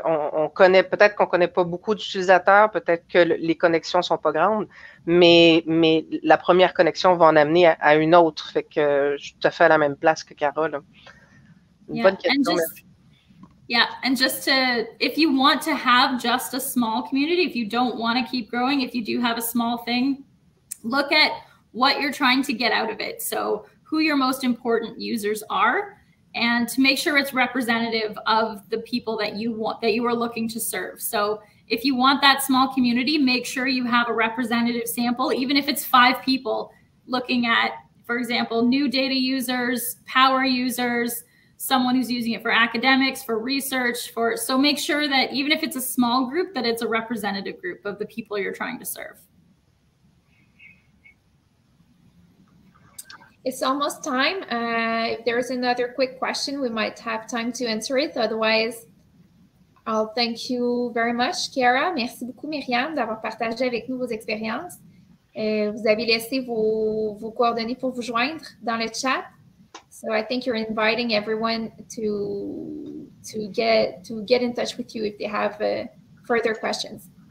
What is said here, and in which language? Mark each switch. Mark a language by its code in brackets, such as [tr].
[fr] On connaît, peut-être qu'on connaît pas beaucoup d'utilisateurs, peut-être que les connexions sont pas grandes, mais la première connexion va en amener à une autre. Fait que je te fais à la même place que Carole. [en] Yeah. [fr] Bonne question. [en] If you want to have just a small community, if you don't want to keep growing, if you do have a small thing, look at what you're trying to get out of it. So who your most important users are, and to make sure it's representative of the people that you want, that you are looking to serve. So if you want that small community, make sure you have a representative sample, even if it's 5 people, looking at, for example, new data users, power users, someone who's using it for academics, for research, so make sure that even if it's a small group, that it's a representative group of the people you're trying to serve. It's almost time. If there is another quick question, we might have time to answer it. Otherwise, I'll thank you very much, Kara. [fr] Merci beaucoup, Myriam, d'avoir partagé avec nous vos expériences. Vous avez laissé vos coordonnées pour vous joindre dans le chat. [en] So I think you're inviting everyone to get in touch with you if they have further questions.